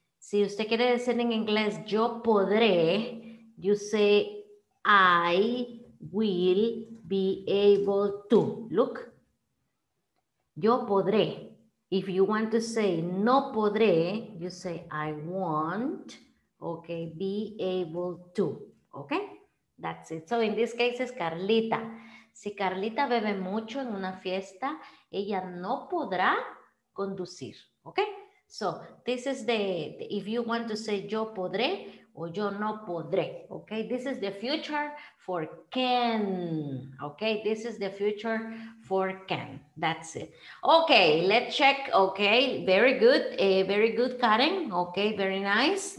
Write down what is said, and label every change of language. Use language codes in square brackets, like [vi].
[es] Si usted quiere decir en inglés, yo podré, [en] you say, I will be able to. Look. [es] Yo podré. [en] If you want to say, [es] no podré, [en] you say, I won't, okay, be able to. Okay? That's it. So in this case, it's Carlita. [es] Si Carlita bebe mucho en una fiesta, ella no podrá conducir. [en] Okay? So, this is the if you want to say [es] yo podré [en] or [es] yo no podré, [en] okay? This is the future for can, okay? This is the future for can, that's it. Okay, let's check, okay? Very good, Karen, okay? Very nice.